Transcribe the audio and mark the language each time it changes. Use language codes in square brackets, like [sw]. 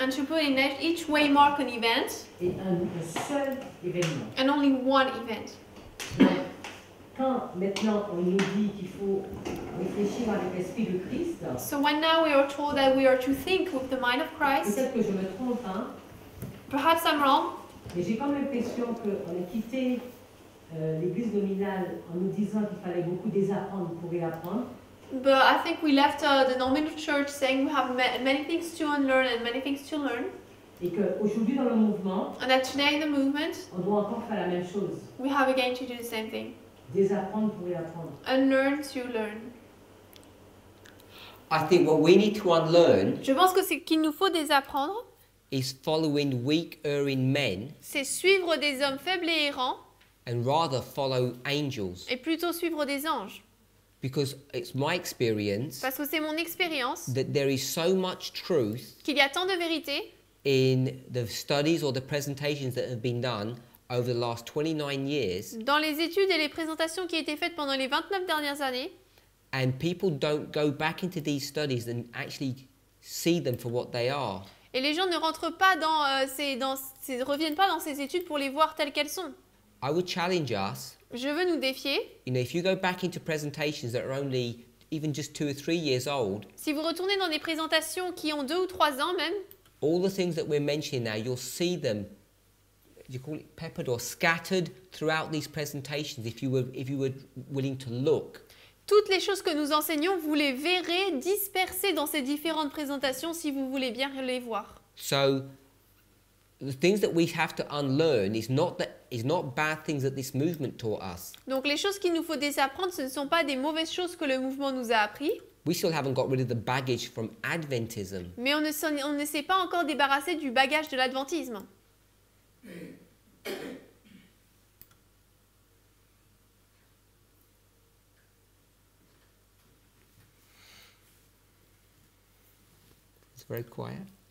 [en] And to put in each waymark an event. [fr] Et un seul événement. [en] And only one event. [fr] Quand maintenant on nous dit qu'il faut réfléchir avec l'esprit de Christ. [en] So when now we are told that we are to think with the mind of Christ. [fr] Peut-être que je me trompe. Hein? [en] Perhaps I'm wrong. [fr] Mais j'ai quand même l'impression qu'on a quitté l'église nominale en nous disant qu'il fallait beaucoup désapprendre pour réapprendre. [en] But I think we left the nominal church saying we have many things to unlearn and many things to learn. [fr] Et que aujourd'hui dans le mouvement, [en] and that today in the movement, [fr] on doit encore faire la même chose. [en] We have again to do the same thing. [fr] Désapprendre pour réapprendre. [en] Unlearn to learn. I think what we need to unlearn. [fr] Je pense que ce qu'il nous faut désapprendre. [en] Is following weak, erring men. [fr] C'est suivre des hommes faibles et errants. [en] And rather follow angels. [fr] Et plutôt suivre des anges. [en] Because it's my experience. [fr] Parce que c'est mon expérience. [en] That there is so much truth. [fr] Qu'il y a tant de vérité. [en] In the studies or the presentations that have been done over the last 29 years. [fr] Dans les études et les présentations qui ont été faites pendant les 29 dernières années. [en] And people don't go back into these studies and actually see them for what they are. [fr] Et les gens ne rentrent pas reviennent pas dans ces études pour les voir telles qu'elles sont. [en] I would challenge us. [fr] Je veux nous défier. [en] You know, if you go back into presentations that are only even just 2 or 3 years old. [fr] Si vous retournez dans des présentations qui ont 2 ou 3 ans même. [en] All the things that we're mentioning now, you'll see them. You call it peppered or scattered throughout these presentations. If you were willing to look. [fr] Toutes les choses que nous enseignons, vous les verrez dispersées dans ces différentes présentations si vous voulez bien les voir. [en] So. The things that we have to unlearn is not bad things that this movement taught us. [fr] Donc les choses qu'il nous faut désapprendre, ce ne sont pas des mauvaises choses que le mouvement nous a appris. [en] We still haven't got rid of the baggage from Adventism. [fr] Mais on ne s'est pas encore débarrassé du bagage de l'adventisme. [en] It's very quiet.